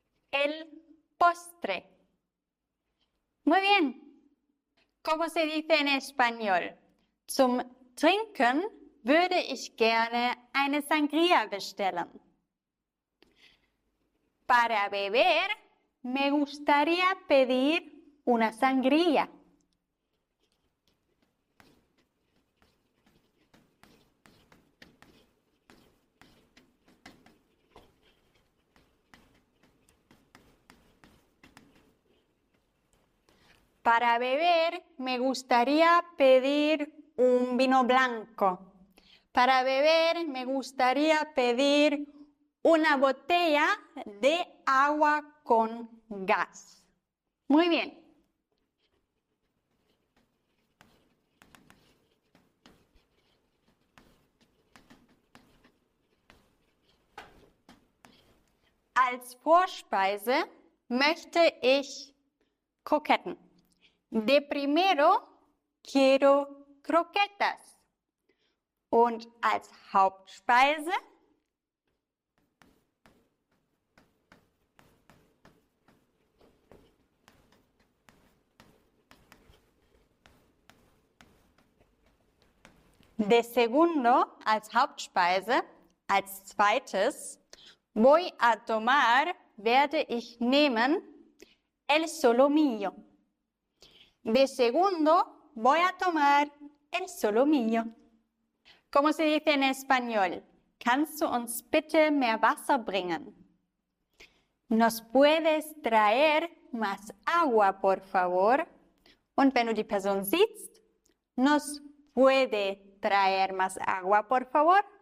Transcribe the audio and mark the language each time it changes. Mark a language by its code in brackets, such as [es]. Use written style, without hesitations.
[es] El postre. Muy bien. ¿Cómo se dice en español? [de] Zum Trinken würde ich gerne eine Sangria bestellen. [es] Para beber Me gustaría pedir una sangría. Para beber, me gustaría pedir un vino blanco. Para beber, me gustaría pedir una botella de agua con gas. Muy bien. [de] Als Vorspeise möchte ich Kroketten. [es] De primero quiero croquetas. [de] Und als Hauptspeise [es] de segundo, [de] als Hauptspeise, als zweites, [es] voy a tomar, [de] werde ich nehmen, [es] el solomillo. De segundo, voy a tomar el solomillo. ¿Cómo se dice en español? [de] ¿Kannst du uns bitte mehr Wasser bringen? [es] ¿Nos puedes traer más agua, por favor? [de] Und wenn du die Person siehst, [es] ¿nos puede traer más agua, por favor?